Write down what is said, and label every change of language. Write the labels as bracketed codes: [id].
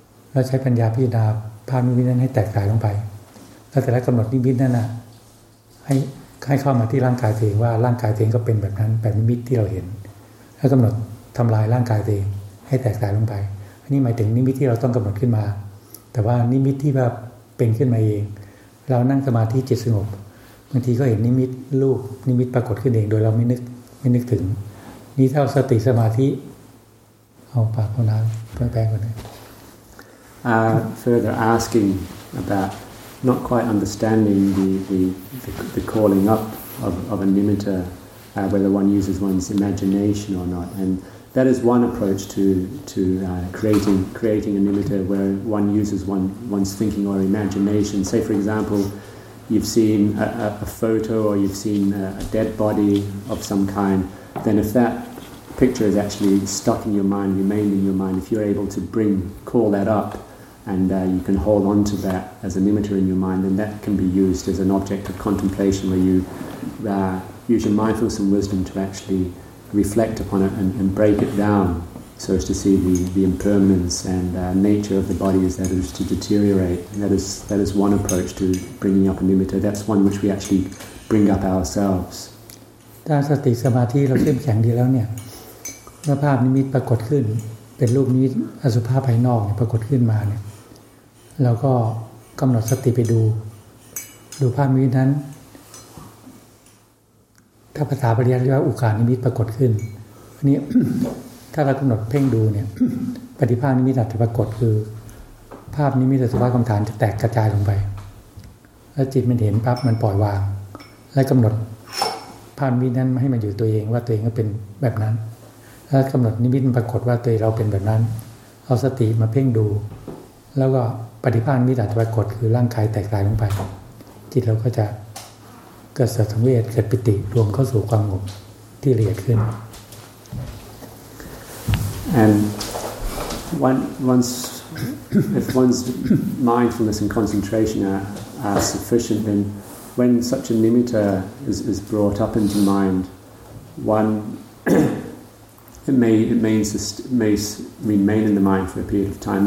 [th] แล้วใช้ปัญญาพิจารณาภาพนิมิตนั้นให้แตกต่างลงไปแล้วแต่ละกำหนดนิมิตนั้นน่ะให้เข้ามาที่ร่างกายตัวเองว่าร่างกายตัวเองก็เป็นแบบนั้นแบบนิมิตที่เราเห็นแล้วกำหนดทำลายร่างกายตัวเองให้แตกต่างลงไปอันนี้หมายถึงนิมิตที่เราต้องกำหนดขึ้นมาแต่ว่านิมิตที่แบบเป็นขึ้นมาเองเรานั่งสมาธิจิตสงบบางทีก็เห็นนิมิตรูปนิมิตปรากฏขึ้นเองโดยเราไม่นึกถึงนี่เท่าสติสมาธิเอาปากพูดนะแปลงก่อนเลย [en] Further asking aboutNot quite understanding the calling up of a nimitta, whether one uses one's imagination or not, and that is one approach to creating a nimitta where one uses one's thinking or imagination. Say, for example, you've seen a photo or you've seen a dead body of some kind. Then, if that picture is actually stuck in your mind, remained in your mind, if you're able to call that up. And you can hold on to that as an imager in your mind, and that can be used as an object of contemplation where you use your mindfulness and wisdom to actually reflect upon it and break it down so as to see the impermanence and nature of the body as that is to deteriorate. And that is one approach to bringing up an imager. That's one which we actually bring up ourselves. [th] ถ้าสติสมาธิเราเข้มแข็งดีแล้วเนี่ยเมื่อภาพนิมิตปรากฏขึ้นเป็นรูปนิมิตอสุภาพภายนอกปรากฏขึ้นมาเนี่ยเราก็กำหนดสติไปดูภาพนิมิตนั้น ถ้าภาษาบาลีเรียกว่าอุกานิมิตปรากฏขึ้นอันนี้ถ้าเรากำหนดเพ่งดูเนี่ยปฏิภาณนิมิตจะปรากฏคือภาพนิมิตอสุภาพกรรมฐานจะแตกกระจายลงไป แล้วจิตมันเห็นปั๊บมันปล่อยวางและกำหนดภาพนิมิตนั้นให้มันอยู่ตัวเองว่าตัวเองก็เป็นแบบนั้นแล้วกำหนดนิมิตปรากฏว่าตัวเราเป็นแบบนั้นเอาสติมาเพ่งดูแล้วก็ปฏิภาณมิตรปรากฏคือร่างกายแตกตายลงไปจิตเราก็จะเกิดสังเวชเกิดปิติรวมเข้าสู่ความสงบที่ละเอียดขึ้น [en] and once if one's mindfulness and concentration are sufficient then when such a nimitta is brought up into mind one It may remain in the mind for a period of time.